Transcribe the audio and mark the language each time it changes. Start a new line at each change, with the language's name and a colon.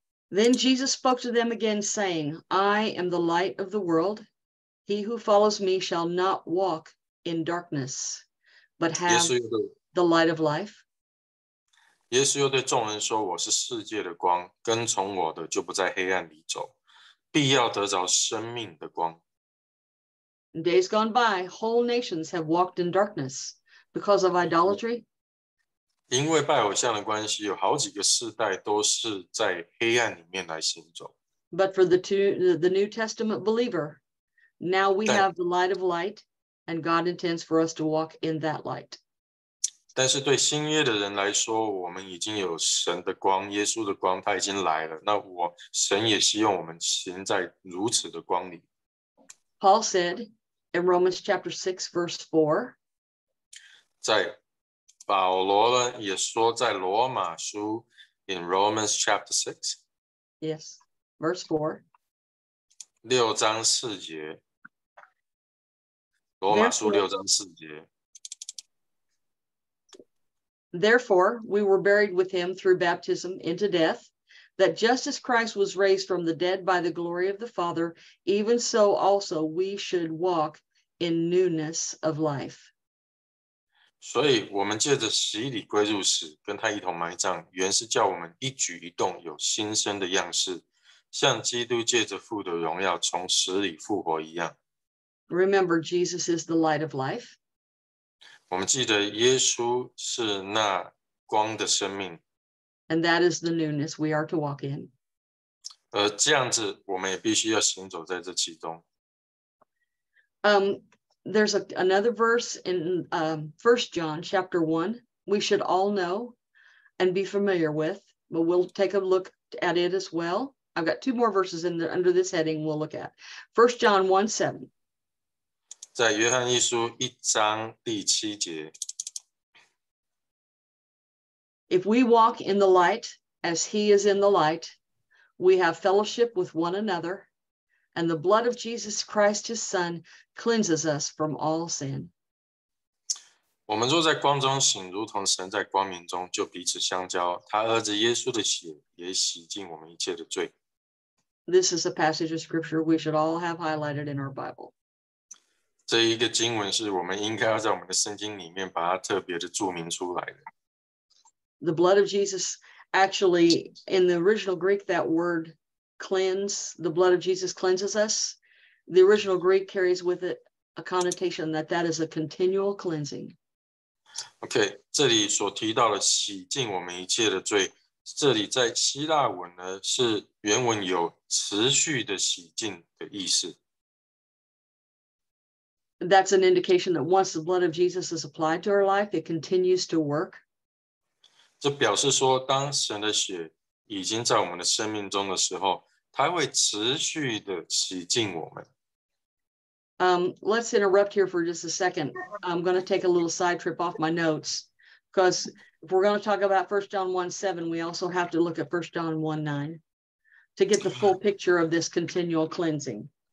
English: Then Jesus spoke to them again, saying, I am the light of the world. He who follows me shall not walk in darkness, but have the light of life.
Chinese: 耶稣又对众人说，我是世界的光，跟从我的就不在黑暗里走，必要得着生命的光。
English: In days gone by, whole nations have walked in darkness because of idolatry.
Chinese: 因为拜偶像的关系，有好几个世代都是在黑暗里面来行走。
English: But for the New Testament believer, now we have the light of light, and God intends for us to walk in that light.
Chinese: 但是对新约的人来说，我们已经有神的光，耶稣的光，他已经来了。那我神也希望我们行在如此的光里。
English: Paul said in Romans chapter 6, verse 4,
Chinese: 在保罗呢也说在罗马书
English: in Romans chapter 6, yes, verse 4,
Chinese: 六章四节，罗马书六章四节。
English: Therefore, we were buried with him through baptism into death, that just as Christ was raised from the dead by the glory of the Father, even so also we should walk in newness of life.
Chinese: 所以我们借着洗礼归入死，跟他一同埋葬，原是叫我们一举一动有新生的样式，像基督借着父的荣耀从死里复活一样。
English: Remember, Jesus is the light of life.
Chinese: 我们记得耶稣是那光的生命。
English: And that is the newness we are to walk in.
Chinese: 而这样子我们也必须要行走在这其中。
English: There's another verse in 1 John chapter 1 we should all know and be familiar with, but we'll take a look at it as well. I've got two more verses in there under this heading we'll look at. 1 John 1, 7.
Chinese: 在约翰一书一章第七节。
English: If we walk in the light as he is in the light, we have fellowship with one another, and the blood of Jesus Christ, his son, cleanses us from all sin.
Chinese: 我们若在光中行，如同神在光明中，就彼此相交。他儿子耶稣的血也洗净我们一切的罪。
English: This is a passage of scripture we should all have highlighted in our Bible.
Chinese: 这一个经文是我们应该要在我们的圣经里面把它特别的注明出来的。
English: The blood of Jesus, actually, in the original Greek, that word cleanse, the blood of Jesus cleanses us. The original Greek carries with it a connotation that that is a continual cleansing.
Chinese: Okay, 这里所提到的洗净我们一切的罪，这里在希腊文呢，是原文有持续的洗净的意思。
English: That's an indication that once the blood of Jesus is applied to our life, it continues to work.
Chinese: 这表示说当神的血已经在我们的生命中的时候，他会持续的洗净我们。
English: Let's interrupt here for just a second. I'm going to take a little side trip off my notes, because if we're going to talk about 1 John 1:7, we also have to look at 1 John 1:9 to get the full picture of this continual cleansing.